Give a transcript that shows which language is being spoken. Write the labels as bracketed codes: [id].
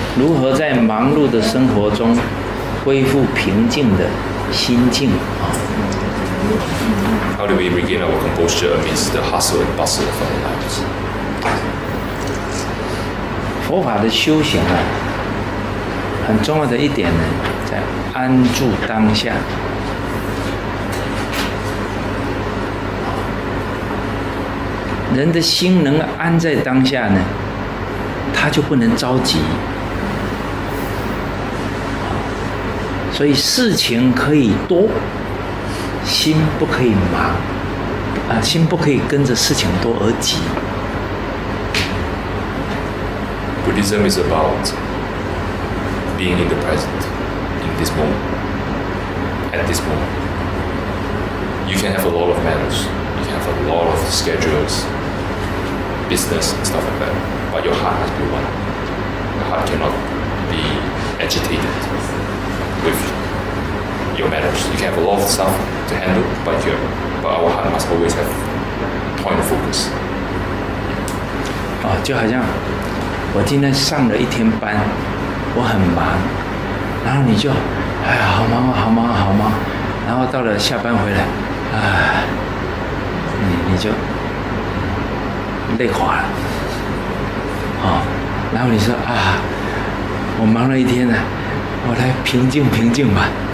[zh] 如何在忙碌的生活中恢复平静的心境啊？ [en] How do we regain our composure amidst the hustle and bustle of our lives? [zh] 佛法的修行啊，很重要的一点呢，在安住当下。人的心能安在当下呢，他就不能着急。所以事情可以多。心不可以忙，啊，心不可以跟着事情多而急。 [en] Buddhism is about being in the present, in this moment, at this moment. You can have a lot of matters, you can have a lot of schedules, business and stuff like that, but your heart must be one. Your heart cannot be agitated with your matters. You can have a lot of stuff. To handle, but our heart must always have point of focus. [zh] 哦，就好像我今天上了一天班，我很忙，然后你就，哎呀，好忙啊，好忙啊，好忙，然后到了下班回来，哎，你就累垮了，哦，然后你说啊，我忙了一天呢，我来平静平静吧。